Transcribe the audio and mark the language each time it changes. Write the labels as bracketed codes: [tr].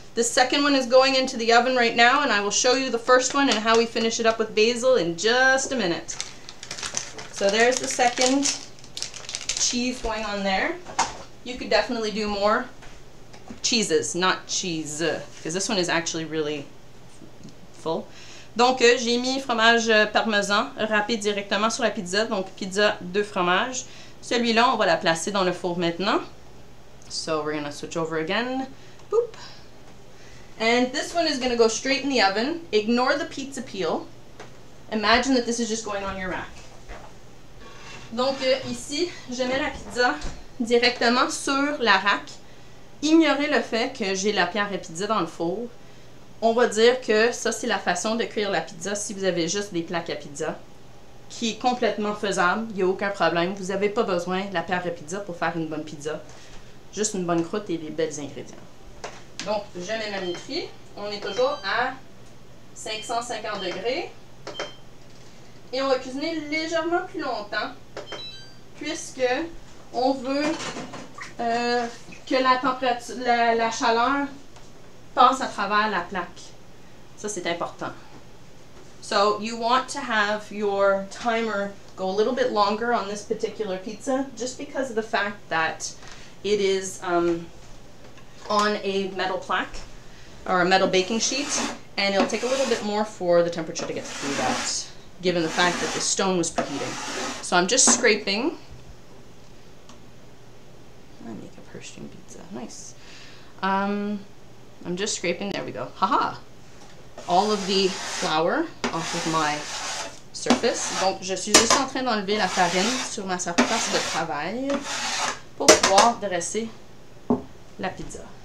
[en] The second one is going into the oven right now, and I will show you the first one and how we finish it up with basil in just a minute. So there's the second cheese going on there. you could definitely do more cheeses, not cheese, because this one is actually really full. [fr] Donc, j'ai mis fromage parmesan râpé directement sur la pizza, donc pizza de fromage. Celui-là, on va la placer dans le four maintenant. [en] So, we're going to switch over again. Boop. And this one is going to go straight in the oven. Ignore the pizza peel. Imagine that this is just going on your rack. [fr] Donc, ici, je mets la pizza directement sur la rack. Ignorez le fait que j'ai la pierre à pizza dans le four. On va dire que ça, c'est la façon de cuire la pizza si vous avez juste des plaques à pizza, qui est complètement faisable. Il n'y a aucun problème. Vous n'avez pas besoin de la pierre à pizza pour faire une bonne pizza. Juste une bonne croûte et des belles ingrédients. Donc, je mets ma mitraille. On est toujours à 550 degrés. Et on va cuisiner légèrement plus longtemps, puisque on veut que la température, la chaleur passe à travers la plaque. Ça, c'est important. [en] So, you want to have your timer go a little bit longer on this particular pizza, just because of the fact that it is on a metal plaque or a metal baking sheet, and it'll take a little bit more for the temperature to get through that, given the fact that the stone was preheating. So I'm just scraping. I make a Hershey pizza, nice. I'm just scraping, there we go, haha. All of the flour off of my surface. [fr] Donc, je suis juste en train d'enlever la farine sur ma surface de travail pour pouvoir dresser la pizza.